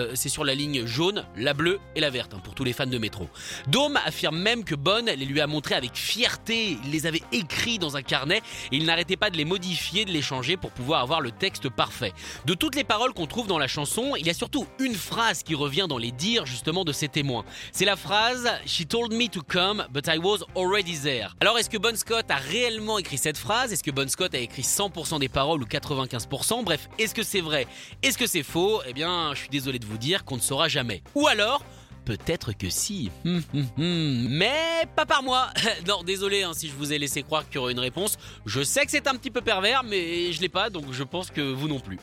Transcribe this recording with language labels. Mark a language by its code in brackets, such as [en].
[fr] C'est sur la ligne jaune, la bleue et la verte, pour tous les fans de métro. Dawne affirme même que Bon les lui a montrés avec fierté, il les avait écrits dans un carnet, et il n'arrêtait pas de les modifier, de les changer pour pouvoir avoir le texte parfait. De toutes les paroles qu'on trouve dans la chanson, il y a surtout une phrase qui revient dans les dires justement de ses témoins. C'est la phrase « [en] She told me to come, but I was already there ». [fr] Alors est-ce que Bon Scott a réellement écrit cette phrase? Est-ce que Bon Scott a écrit 100% des paroles ou 95%? Bref, est-ce que c'est vrai? Est-ce que c'est faux? Eh bien, je suis désolé de vous dire qu'on ne saura jamais. Ou alors, peut-être que si. Mais pas par moi. Non, désolé si je vous ai laissé croire qu'il y aurait une réponse. Je sais que c'est un petit peu pervers, mais je l'ai pas, donc je pense que vous non plus.